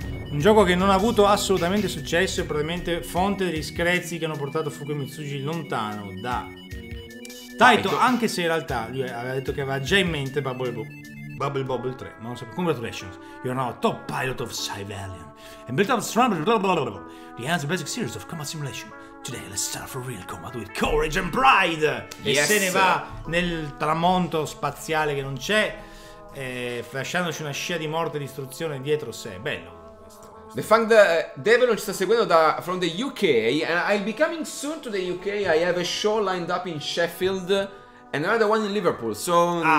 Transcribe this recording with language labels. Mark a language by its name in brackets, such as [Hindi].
[Italian] Un gioco che non ha avuto assolutamente successo e probabilmente fonte degli screzi che hanno portato Fukuyo Mitsuji lontano da Taito, anche se in realtà lui aveva detto che aveva già in mente Bubble Bobble 3, ma non so. [English] Congratulations, you're now a top pilot of Cyvalion and built up the answer basic series of combat simulation. Today let's start for real combat with courage and pride. Yes. [Italian] E se ne va nel tramonto spaziale che non c'è, lasciandoci una scia di morte e distruzione dietro sé. Bello. [English] The Fang the Devil [Italian] ci sta seguendo da [English] from the UK and I'll be coming soon to the UK. I have a show lined up in Sheffield and another one in Liverpool. So